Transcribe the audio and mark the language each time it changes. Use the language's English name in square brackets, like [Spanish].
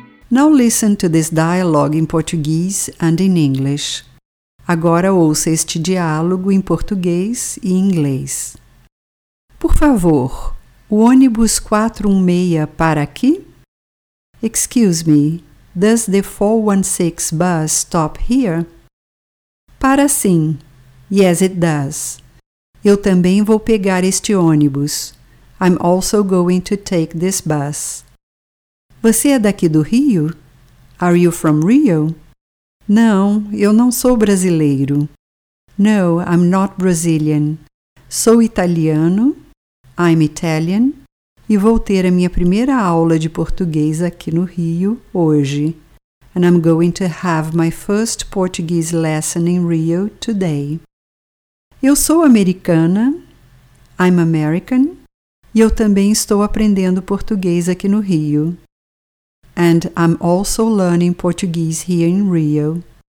[English] Now listen to this dialogue in Portuguese and in English. [Portuguese] Agora ouça este diálogo em português e inglês. Por favor, o ônibus 416 para aqui? [English] Excuse me, does the 416 bus stop here? [Portuguese] Para sim. [English] Yes, it does. [Portuguese] Eu também vou pegar este ônibus. [English] I'm also going to take this bus. [Portuguese] Você é daqui do Rio? [English] Are you from Rio? [Portuguese] Não, eu não sou brasileiro. [English] No, I'm not Brazilian. [Portuguese] Sou italiano. [English] I'm Italian. [Portuguese] E vou ter a minha primeira aula de português aqui no Rio hoje. [English] And I'm going to have my first Portuguese lesson in Rio today. [Portuguese] Eu sou americana. [English] I'm American. [Portuguese] E eu também estou aprendendo português aqui no Rio. [English] And I'm also learning Portuguese here in Rio.